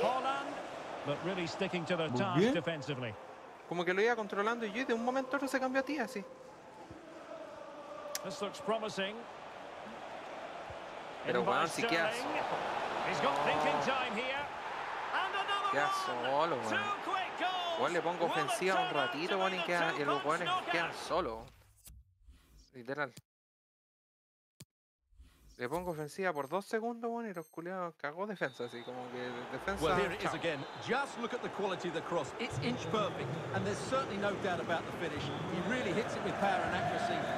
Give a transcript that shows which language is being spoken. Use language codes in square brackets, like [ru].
[en] Holland, but really sticking to the task defensively. [es] Como que lo iba controlando y yo de un momento a otro se cambió a ti así. [en] This looks promising. [es] Pero bueno, si qué hace. [en] He's got thinking time here. And another one. [es] Solo, man. Igual le pongo ofensiva un ratito, bueno, y los jugadores quedan solo. Literal. Le pongo ofensiva por dos segundos, bueno, y los culiados cagó defensa, así como que defensa. [en] Well, here it is again. Just look at the quality of the cross. It's inch perfect, and there's certainly no doubt about the finish. He really hits it with power and accuracy.